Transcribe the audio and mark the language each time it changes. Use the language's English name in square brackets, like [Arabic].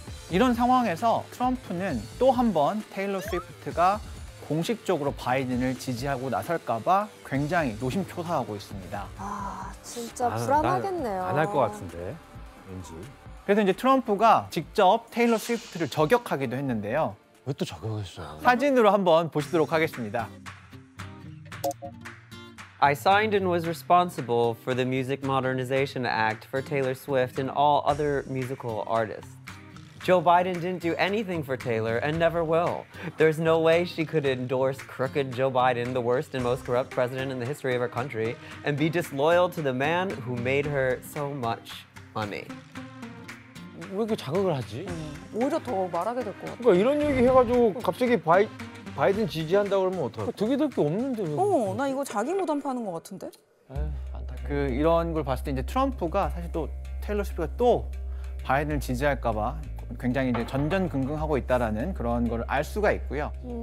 [Korean] 이런 상황에서 트럼프는 또 한 번 테일러 스위프트가 공식적으로 바이든을 지지하고 나설까 봐 굉장히 노심초사하고 있습니다. 아, 진짜 불안하겠네요. 안 할 것 같은데, 왠지. 그래서 이제 트럼프가 직접 테일러 스위프트를 저격하기도 했는데요. 왜 또 저격했어요? 사진으로 한번 보시도록 하겠습니다. [English] I signed and was responsible for the Music Modernization Act for Taylor Swift and all other musical artists. Joe Biden didn't do anything for Taylor and never will. There's no way she could endorse crooked Joe Biden, the worst and most corrupt president in the history of our country, and be disloyal to the man who made her so much money. [Korean] 왜 이렇게 자극을 하지? 오히려 더 말하게 될 것 같아. 그러니까 이런 얘기 해가지고 갑자기 바이든 지지한다 그러면 어떡해? 득이 될 게 없는데. 나 이거 자기 무덤 파는 것 같은데? 안타깝. 그 이런 걸 봤을 때 이제 트럼프가 사실 또 테일러 스위프트가 또 바이든을 지지할까봐 굉장히 이제 전전긍긍하고 있다라는 그런 걸 알 수가 있고요.